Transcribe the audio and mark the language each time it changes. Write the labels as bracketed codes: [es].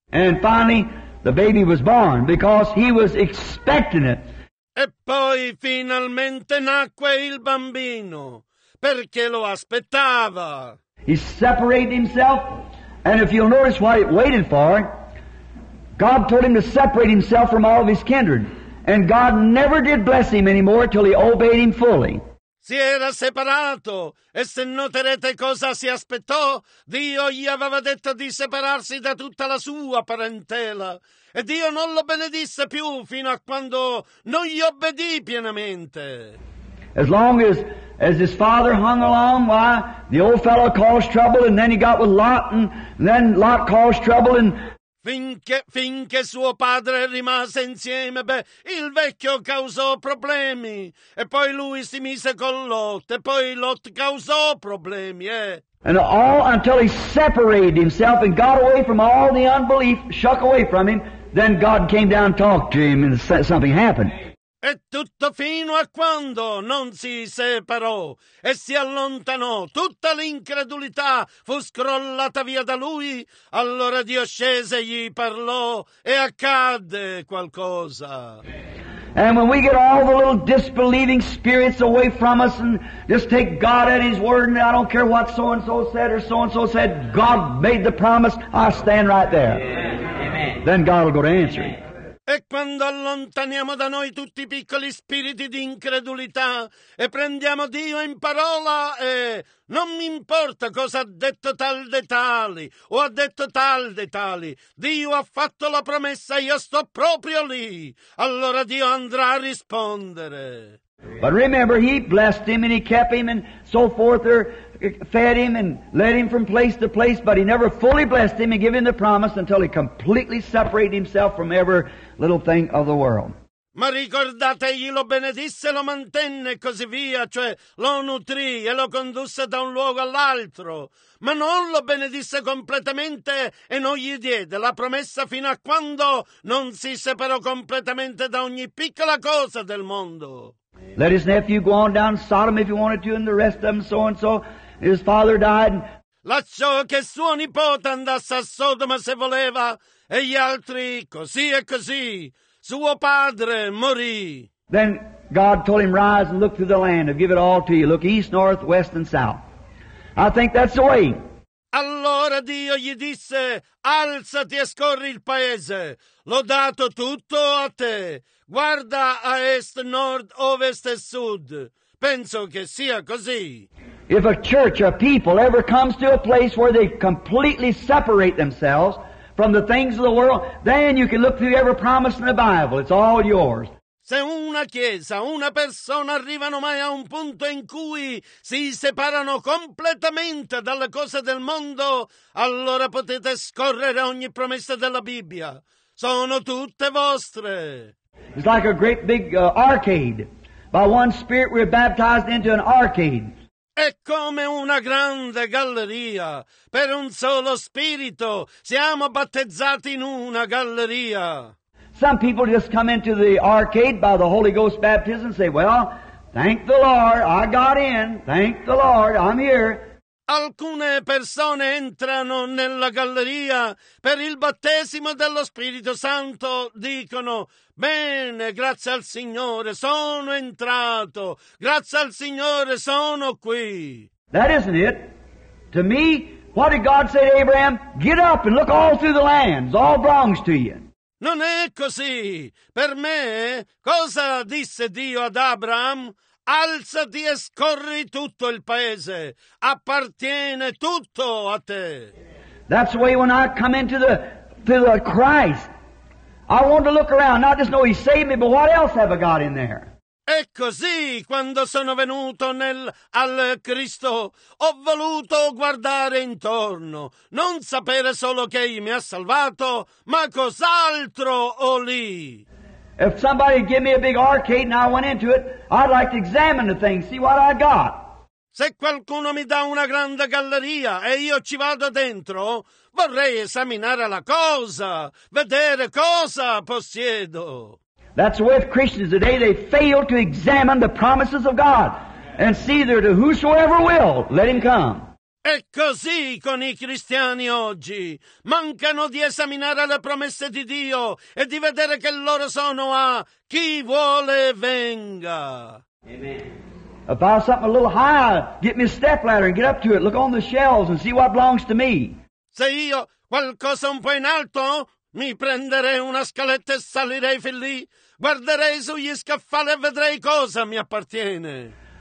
[en] And finally the baby was born because he was expecting it. [it] E poi finalmente nacque il bambino, perché lo aspettava. [en] He separated himself, and if you'll notice what he waited for, God told him to separate himself from all of his kindred. And God never did bless him anymore till he obeyed him fully. [it] Si era separato. E se noterete cosa si aspettò, Dio gli aveva detto di separarsi da tutta la sua parentela. E Dio non lo benedisse più fino a quando non gli obbedì pienamente. [en] As long as his father hung along, why, the old fellow caused trouble, and then he got with Lot, and then Lot caused trouble, and... [it] Finché suo padre rimase insieme, il vecchio causò problemi, e poi lui si mise con Lot, e poi Lot causò problemi, [en] And all until he separated himself and got away from all the unbelief, shook away from him, then God came down and talked to him and something happened. [it] E tutto fino a quando non si separò e si allontanò, tutta l'incredulità fu scrollata via da lui. Allora Dio scese, gli parlò e accadde qualcosa. [en] And when we get all the little disbelieving spirits away from us and just take God at His word, and I don't care what so-and-so said or so-and-so said, God made the promise, I stand right there. Amen. Then God will go to answer it. [it] E quando allontaniamo da noi tutti i piccoli spiriti di incredulità e prendiamo Dio in parola e non mi importa cosa ha detto tal de tali o ha detto tal de tali, Dio ha fatto la promessa, io sto proprio lì, allora Dio andrà a rispondere. [en] But remember, he blessed him and he kept him and so forth, or fed him and led him from place to place, but he never fully blessed him and gave him the promise until he completely separated himself from every little thing of the world. [it] Ma ricordate, egli lo benedisse, lo mantenne e così via, cioè lo nutrì e lo condusse da un luogo all'altro, ma non lo benedisse completamente e non gli diede la promessa fino a quando non si separò completamente da ogni piccola cosa del mondo. [en] Let his nephew go on down Sodom if he wanted to, and the rest of them so and so. His father died. [it] Lasciò che suo nipote andasse a Sodoma se voleva, e gli altri così e così. Suo padre morì. [en] Then God told him, rise and look through the land. I'll give it all to you. Look east, north, west, and south. I think that's the way. [it] Allora Dio gli disse, alzati e scorri il paese. L'ho dato tutto a te. Guarda a est, nord, ovest e sud. Penso che sia così. [en] If a church, a people, ever comes to a place where they completely separate themselves from the things of the world, then you can look through every promise in the Bible. It's all yours. [it] Se una chiesa, una persona arrivano mai a un punto in cui si separano completamente dalle cose del mondo, allora potete scorrere ogni promessa della Bibbia. Sono tutte vostre. [en] It's like a great big arcade. By one spirit we're baptized into an arcade. [it] È come una grande galleria. Per un solo spirito siamo battezzati in una galleria. [en] Some people just come into the arcade by the Holy Ghost baptism and say, well, thank the Lord, I got in. Thank the Lord, I'm here. [it] Alcune persone entrano nella galleria per il battesimo dello Spirito Santo, dicono, bene, grazie al Signore, sono entrato, grazie al Signore, sono qui. [en] That isn't it. To me, what did God say to Abraham? Get up and look all through the lands, all belongs to you. [it] Non è così. Per me, cosa disse Dio ad Abraham? Alzati e scorri tutto il paese. Appartiene tutto a te. [en] That's the way when I come into the Christ, I want to look around. Not just know He saved me, but what else have I got in there? [it] E così, quando sono venuto al Cristo, ho voluto guardare intorno, non sapere solo che Egli mi ha salvato, ma cos'altro ho lì. [en] If somebody gave me a big arcade and I went into it, I'd like to examine the thing, see what I got. [it] Se qualcuno mi dà una grande galleria e io ci vado dentro, vorrei esaminare la cosa, vedere cosa possiedo. [en] That's with Christians today, they fail to examine the promises of God and see there to whosoever will, let him come. [it] È così con i cristiani oggi. Mancano di esaminare le promesse di Dio e di vedere che loro sono a chi vuole venga. [en] Amen. If I have something a little high, get me a step ladder and get up to it, look on the shelves and see what belongs to me. [it] Se io qualcosa un po' in alto, mi prenderei una scaletta e salirei fin lì, guarderei sugli scaffali e vedrei cosa mi appartiene.